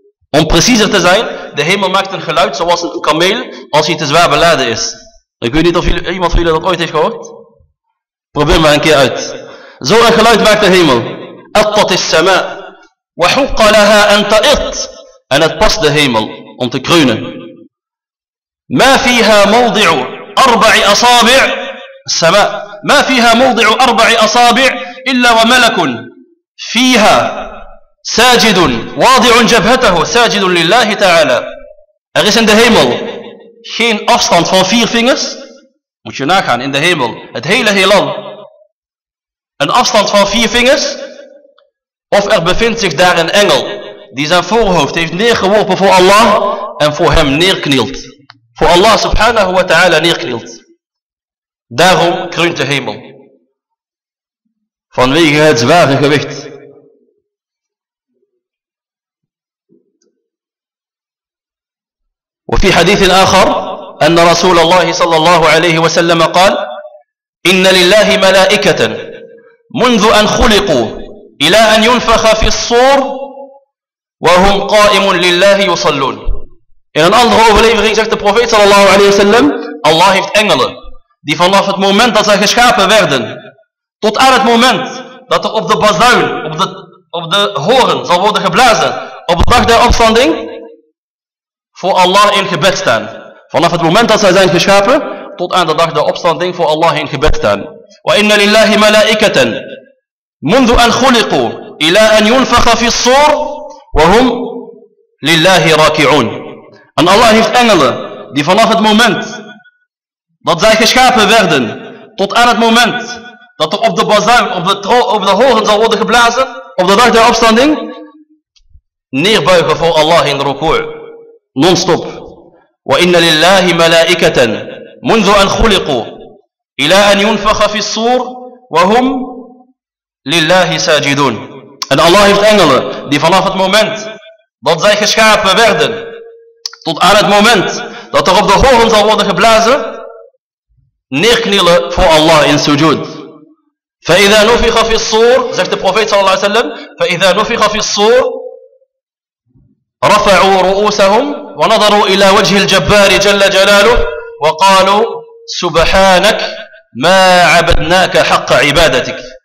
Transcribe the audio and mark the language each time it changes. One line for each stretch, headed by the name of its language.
Dutch: Om preciezer te zijn, de hemel maakt een geluid zoals een kameel als hij te zwaar beladen is. Ik weet niet of iemand van jullie dat ooit heeft gehoord. Probeer maar een keer uit. Zo'n geluid maakt de hemel.
Arabic: Al-tat is sama, wa huqqa laha anta'it.
Dutch: En het past de hemel om te kreunen.
Arabic: ما فيها موضع أربع أصابع السماء ما فيها موضع أربع أصابع illa wa malakun fiha sajidun wadi'un jabhatahu sajidun lillahi ta'ala.
Dutch: Er is in de hemel geen afstand van vier vingers. Moet je nagaan, in de hemel, het hele heelal. Een afstand van vier vingers. Of er bevindt zich daar een engel die zijn voorhoofd heeft neergeworpen voor Allah en voor hem neerknielt. Voor Allah subhanahu wa ta'ala neerknielt. Daarom kreunt de hemel. Vanwege het zware gewicht.
Arabic: وفي حديث آخر أن رسول الله صلى الله عليه وسلم قال إن لله ملائكة منذ أن خلقوا إلى أن ينفخ في الصور وهم قائم لله يصلون.
Dutch: In een andere overlevering zegt de profeet
Arabic: صلى الله عليه وسلم:
Dutch: Allah heeft engelen die vanaf het moment dat zij geschapen werden tot aan het moment dat er op de bazuin, op de horen zal worden geblazen op de dag der opstanding, voor Allah in gebed staan. Vanaf het moment dat zij zijn geschapen tot aan de dag der opstanding voor Allah in gebed staan.
Arabic: Wa inna lillahi malaikatan منذ أن خلقوا إلى أن ينفخ في الصور وهم لله راكعون.
Dutch: En Allah heeft engelen die vanaf het moment dat zij geschapen werden tot aan het moment dat er op de bazuin, op de horen zal worden geblazen op de dag der opstanding, neerbuigen voor Allah in de rukoo'. Non-stop.
Arabic: وَإِنَّ لِلَّهِ مَلَائِكَةً مُنْذُ أَنْ خُلِقُوا إِلَىٰ أَنْ يُنْفَخَ فِي الصُّورِ وَهُمْ لِلَّهِ سَاجِدُونَ.
Dutch: En Allah heeft engelen die vanaf het moment dat zij geschapen werden tot aan het moment dat er op de horen zal worden geblazen neerknielen voor Allah in sujud.
Arabic: فَإِذَا نُفِخَ فِي الصُّورِ,
Dutch: zegt de profeet
Arabic: sallallahu alayhi wa sallam, فَإِذَا نُفِخَ فِي الصُّورِ رفعوا رؤوسهم ونظروا إلى وجه الجبار جل جلاله وقالوا سبحانك ما عبدناك حق عبادتك.